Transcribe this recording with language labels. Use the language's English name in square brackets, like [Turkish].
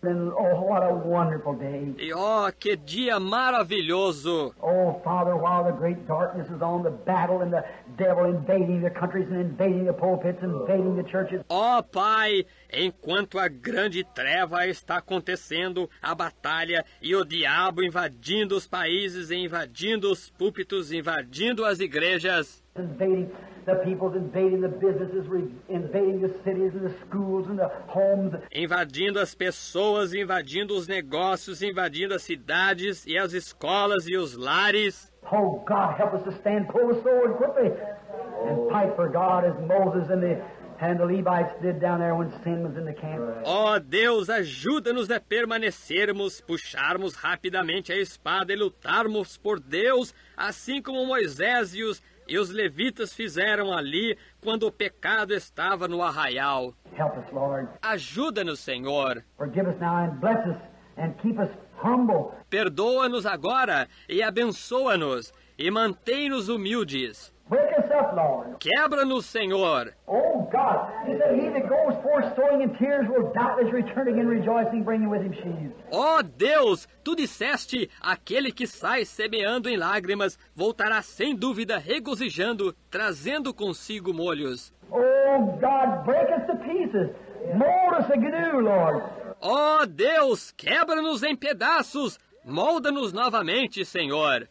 [English] And, oh, what a wonderful day. [Portuguese] E, oh, que dia maravilhoso! [English] Oh, Father, while the great darkness is on, the battle and the devil invading the countries and invading the pulpits and invading the churches. [Portuguese] Oh, Pai, enquanto a grande treva está acontecendo, a batalha e o diabo invadindo os países e invadindo os púlpitos, invadindo as igrejas. [English] Invading the people, invading the businesses, invading the cities and the schools and the homes. [Portuguese] Invadindo as pessoas, invadindo os negócios, invadindo as cidades e as escolas e os lares. [English] Oh, God, help us to stand, pull the sword quickly and fight for God as Moses and the Levites did down there when sin was in the camp. [Portuguese] Oh, Deus, ajuda-nos a permanecermos, puxarmos rapidamente a espada e lutarmos por Deus, assim como Moisés e os levitas fizeram ali quando o pecado estava no arraial. [English] Help us, Lord. [Portuguese] Ajuda-nos, Senhor. [English] Forgive us now and bless us and keep us humble. [Portuguese] Perdoa-nos agora e abençoa-nos e mantém-nos humildes. [English] Wake us up, Lord. [Portuguese] Quebra-nos, Senhor. [English] Oh, God. He said, he that goes forth sowing in tears will doubtless return again rejoicing, bringing with him sheaves. [Portuguese] Oh, Deus, tu disseste, aquele que sai semeando em lágrimas voltará sem dúvida regozijando, trazendo consigo molhos. [English] Oh, God, break us to pieces. Mold us anew, Lord. [Portuguese] Oh, Deus, quebra-nos em pedaços. Molda-nos novamente, Senhor.